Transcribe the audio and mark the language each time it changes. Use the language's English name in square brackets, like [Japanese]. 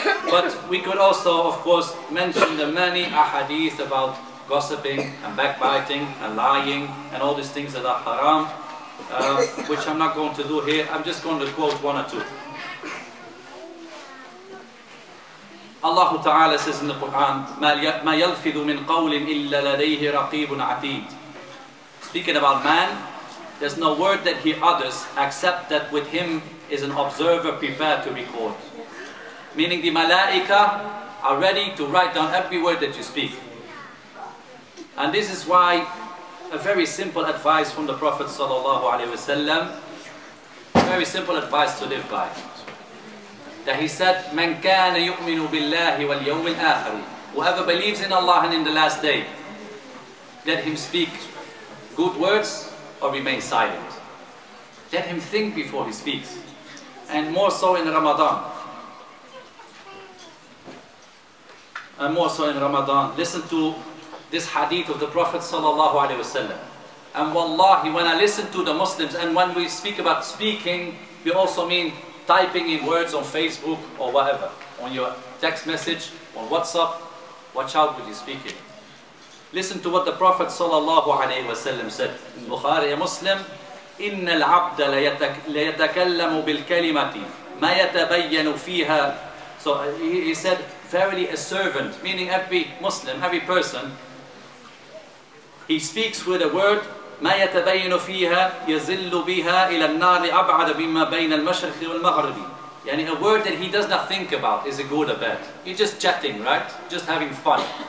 [English] But we could also, of course, mention the many ahadith about gossiping and backbiting and lying and all these things that are haram, which I'm not going to do here. I'm just going to quote one or two. Allah Ta'ala says in the Quran, [Arabic] مَا يَلْفِذُ مِنْ قَوْلٍ إِلَّا لَدَيْهِ رَقِيبٌ عَتِيدٌ. [English] Speaking about man, there's no word that he utters except that with him is an observer prepared to record. Meaning the malaika are ready to write down every word that you speak. And this is why a very simple advice from the Prophet sallallahu alaihi wasallam, very simple advice to live by. That he said, [Arabic] "Man kana yu'minu billahi wal yawmil akhir," [English] whoever believes in Allah and in the last day, let him speak good words or remain silent. Let him think before he speaks. And more so in Ramadan. And more so in Ramadan. Listen to this hadith of the Prophet sallallahu alaihi wasallam. And wallahi, when I listen to the Muslims, and when we speak about speaking, we also mean typing in words on Facebook or whatever, on your text message, on WhatsApp, watch out with your speaking. Listen to what the Prophet sallallahu alayhi wa sallam said. [Arabic] Bukhari, a Muslim, إِنَّ الْعَبْدَ لَيَتَكَلَّمُ بِالْكَلِمَةِ مَا يَتَبَيَّنُ فِيهَا. [English] So he said, verily a servant, meaning every Muslim, every person, he speaks with a word, [Arabic] مَا يَتَبَيَّنُ فِيهَا يَزِلُّ بِهَا إِلَى النَّارِ أَبْعَدَ بِمَّا بَيْنَ الْمَشْرِخِ وَالْمَغْرِبِ. [English] Yani a word that he does not think about, is it good or bad? He's just chatting, right? Just having fun.